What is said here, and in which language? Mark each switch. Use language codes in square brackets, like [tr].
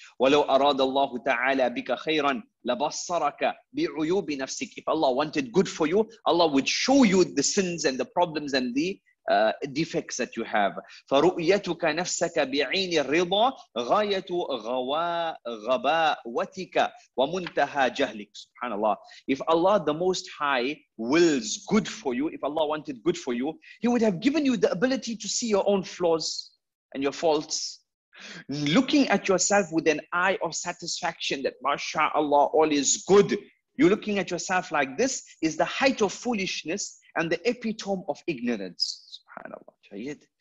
[ar] ولو أراد الله تعالى بك خيرا لبصرك بعيوب نفسك. [en] If Allah wanted good for you, Allah would show you the sins and the problems and the defects that you have. [ar] فرؤيتك نفسك بعين الرضا غاية غباوتك ومنتهى جهلك. سبحان الله. [en] If Allah the Most High wills good for you, if Allah wanted good for you, He would have given you the ability to see your own flaws and your faults. Looking at yourself with an eye of satisfaction that mashallah, all is good. You're looking at yourself like this is the height of foolishness and the epitome of ignorance. SubhanAllah.